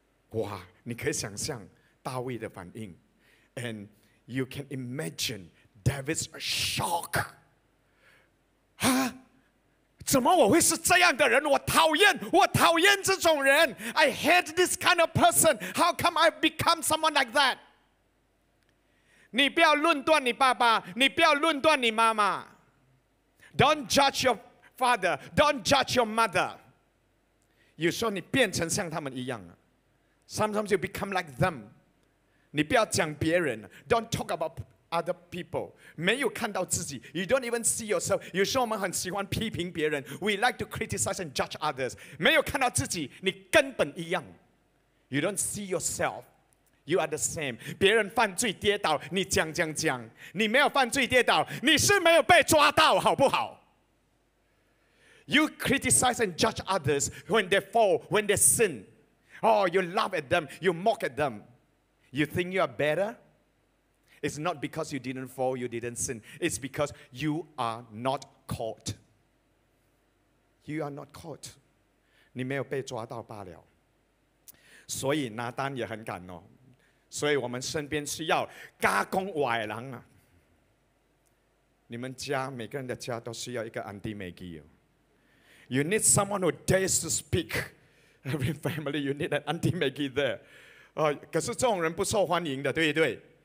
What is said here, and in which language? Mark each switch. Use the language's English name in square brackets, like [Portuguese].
[Chinese] 哇你可以想象大卫的反应 [English] And you can imagine David's shock [Chinese] 啊怎么我会是这样的人我讨厌这种人 [English] I hate this kind of person How come I become someone like that [Chinese] 你不要论断你爸爸你不要论断你妈妈 [English] Don't judge your father Don't judge your mother [Chinese] 有时候你变成像他们一样 [English] Sometimes you become like them [Chinese] 你不要讲别人 [English] Don't talk about other people [Chinese] 没有看到自己 [English] you don't even see yourself [Chinese] 有时候我们很喜欢批评别人 [English] we like to criticize and judge others [Chinese] 没有看到自己你根本一样 [English] you don't see yourself you are the same [Chinese] 别人犯罪跌倒你讲你没有犯罪跌倒你是没有被抓到好不好 [English] you criticize and judge others when they fall when they sin oh you laugh at them you mock at them you think you are better It's not because you didn't fall, you didn't sin. It's because you are not caught. You are not caught. [Chinese] 你没有被抓到罢了。所以拿单也很感动。所以我们身边需要家公外郎啊。你们家每个人的家都需要一个 Auntie Maggie。 [English] You need someone who dares to speak. Every family, you need an Auntie Maggie there. [Chinese] 可是这种人不受欢迎的，对不对？